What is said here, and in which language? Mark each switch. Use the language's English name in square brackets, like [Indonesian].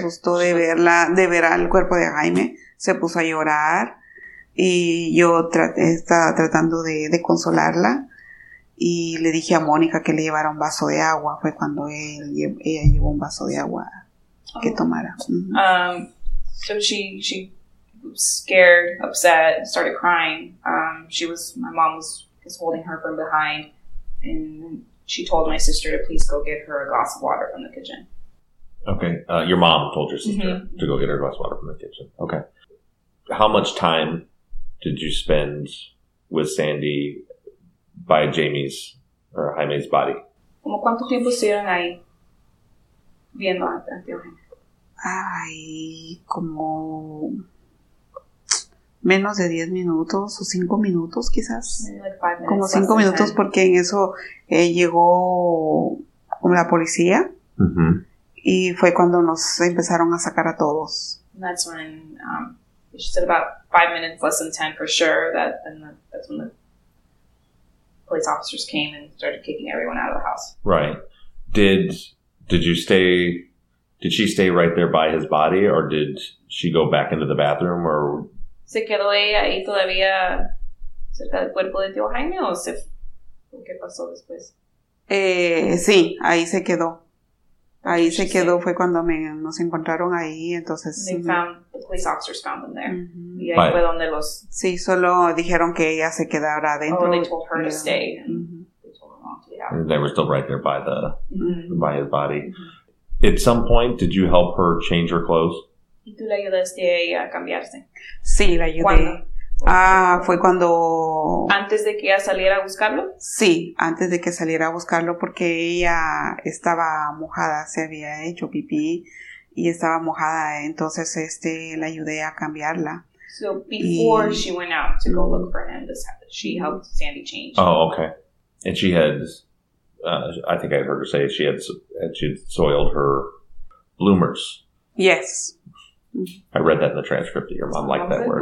[Spanish] Se asustó de verla, de ver al cuerpo de Jaime. Se puso a llorar. Y yo estaba tratando de consolarla. Y le dije a Mónica que le llevara un vaso de agua. Fue cuando ella llevó un vaso de agua que tomara. Mm-hmm. [English] So she was scared, upset, started crying. My mom was just holding her from behind, and she told my sister to please go get her a glass of water from the kitchen. Okay, your mom told your sister mm-hmm. to go get her a glass of water from the kitchen. Okay. How much time did you spend with Sandy by Jamie's or Jaime's body? [Spanish] ¿Cómo cuánto tiempo estuvieron ahí viendo ante Jaime? Ay, como menos de 10 minutos o 5 minutos quizás. [English] Like [Spanish] como 5 minutos [English] time. [Spanish] Porque en eso llegó la policía. Mm-hmm. Y fue cuando nos empezaron a sacar a todos. [English] And that's when she said about 5 minutes less than 10 for sure that's when the police officers came and started kicking everyone out of the house. Right. Did she stay right there by his body or did she go back into the bathroom or [Spanish] se quedó ella ahí todavía cerca del cuerpo de tío Jaime o qué pasó después? Sí, ahí se quedó. Ahí se quedó, fue cuando nos encontraron ahí, entonces... [English] They found, the police officers found them there. [Spanish] Mm-hmm. Y ahí fue donde los... Sí, solo dijeron que ella se quedara adentro. [English] Oh, they told her to stay. Mm-hmm. They were still right there by the mm-hmm. by his body. Mm-hmm. At some point, did you help her change her clothes? [Spanish] ¿Y tú le ayudaste a ella a cambiarse? Sí, la ayudé. ¿Cuándo? Ah, fue cuando... ¿Antes de que ella saliera a buscarlo? Sí, antes de que saliera a buscarlo, porque ella estaba mojada, se había hecho pipí y estaba mojada. Entonces, la ayudé a cambiarla. [English] So, before she went out to go look for him, she helped Sandy change. Oh, okay. And she had, I think I heard her say, she had soiled her bloomers. Yes. I read that in the transcript that your mom liked that word.